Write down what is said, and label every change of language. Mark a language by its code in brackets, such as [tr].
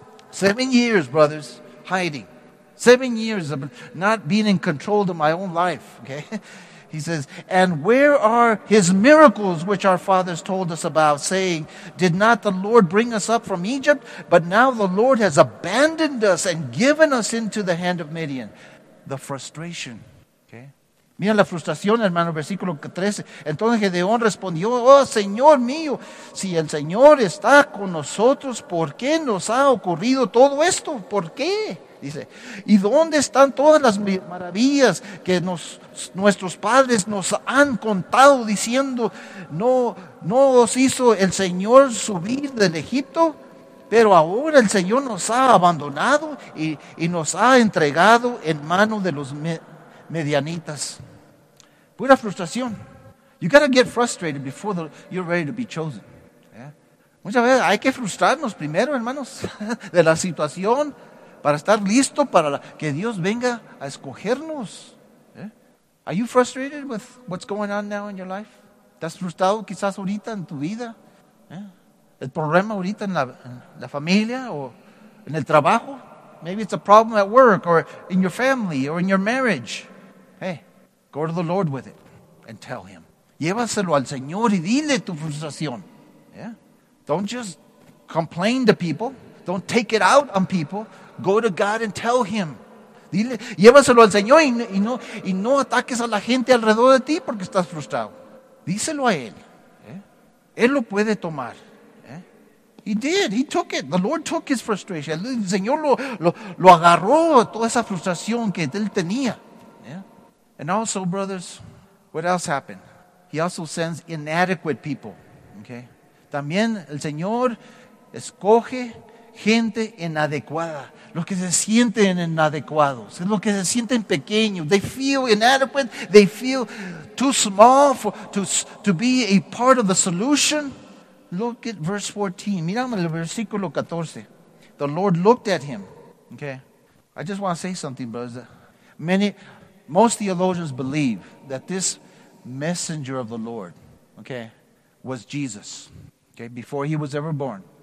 [en] 7 years, brothers, hiding. 7 years of not being in control of my own life, okay? He says, "And where are his miracles which our fathers told us about, saying, 'Did not the Lord bring us up from Egypt?' But now the Lord has abandoned us and given us into the hand of Midian." The frustration. [es] Mira la frustración, hermano, versículo 13. Entonces Gedeón respondió, "Oh, Señor mío, si el Señor está con nosotros, ¿por qué nos ha ocurrido todo esto? ¿Por qué?" Dice, "¿Y dónde están todas las maravillas que nuestros padres nos han contado diciendo, 'No os hizo el Señor subir del Egipto?' Pero ahora el Señor nos ha abandonado y nos ha entregado en mano de los medianitas." Pura frustración. [en] You got to get frustrated before you're ready to be chosen. Yeah. [es] Muchas veces hay que frustrarnos primero, hermanos, de la situación para estar listo para que Dios venga a escogernos. [en] Yeah. Are you frustrated with what's going on now in your life? [es] ¿Estás frustrado quizás ahorita en tu vida? Yeah. ¿El problema ahorita en la familia o en el trabajo? [en] Maybe it's a problem at work or in your family or in your marriage. Hey, go to the Lord with it and tell him. [es] Llévaselo al Señor y dile tu frustración. Yeah? [en] Don't just complain to people. Don't take it out on people. Go to God and tell him. [es] Dile, llévaselo al Señor y no ataques a la gente alrededor de ti porque estás frustrado. Díselo a él. Yeah? Él lo puede tomar. Yeah? [en] He did. He took it. The Lord took his frustration. [es] El Señor lo agarró toda esa frustración que él tenía. Yeah? [en] And also, brothers, what else happened? He also sends inadequate people, okay? [es] También el Señor escoge gente inadecuada, los que se sienten inadecuados, los que se sienten pequeños. [en] They feel inadequate, they feel too small to be a part of the solution. Look at verse 14. [es] Miramos el versículo 14. [en] The Lord looked at him, okay? I just want to say something, brothers. Most theologians believe that this messenger of the Lord, okay, was Jesus, okay, before he was ever born.